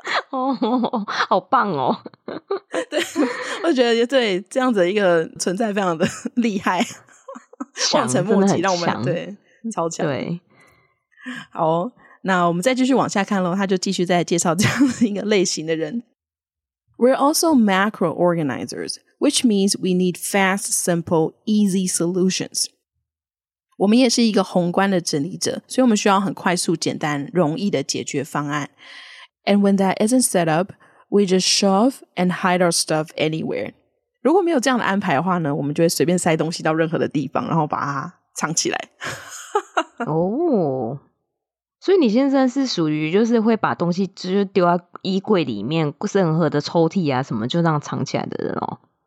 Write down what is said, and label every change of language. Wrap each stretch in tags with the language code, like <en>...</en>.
<zh>哦，好棒哦。对，我觉得对这样子一个存在非常的厉害，望尘莫及，让我们对超强。对，好，那我们再继续往下看咯。他就继续再介绍这样的一个类型的人。</zh> <en>We're also macro organizers, which means we need fast, simple, easy solutions.</en> <zh>我们也是一个宏观的整理者，所以我们需要很快速简单容易的解决方案。</zh> <en>And when that isn't set up, we just shove and hide our stuff anywhere.</en> <zh>如果没有这样的安排的话呢，我们就会随便塞东西到任何的地方，然后把它藏起来。哦、oh, 所以你先生是属于就是会把东西就是丢在衣柜里面，任何的抽屉啊什么就这样藏起来的人哦？</zh>